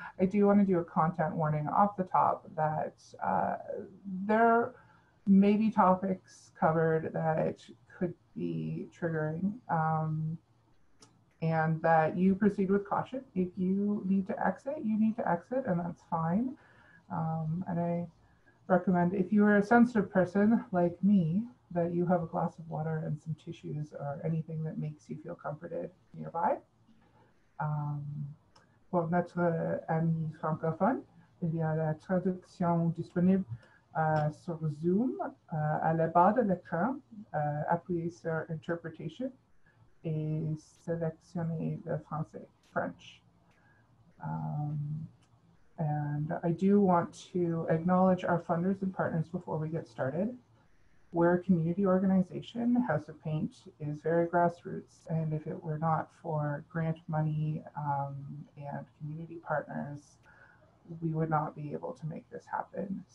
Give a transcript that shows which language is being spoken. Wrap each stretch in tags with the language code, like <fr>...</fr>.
<en>I do want to do a content warning off the top that there may be topics covered that could be triggering, and that you proceed with caution. If you need to exit, you need to exit, and that's fine. And I recommend, if you are a sensitive person like me, that you have a glass of water and some tissues or anything that makes you feel comforted nearby.</en> <fr>Pour notre ami francophone, il y a la traduction disponible sur Zoom à la barre de l'écran. Appuyez sur interpretation et sélectionnez le français, French.</fr> <en>And I do want to acknowledge our funders and partners before we get started. We're a community organization. House of PainT is very grassroots, and if it were not for grant money and community partners, we would not be able to make this happen.</en>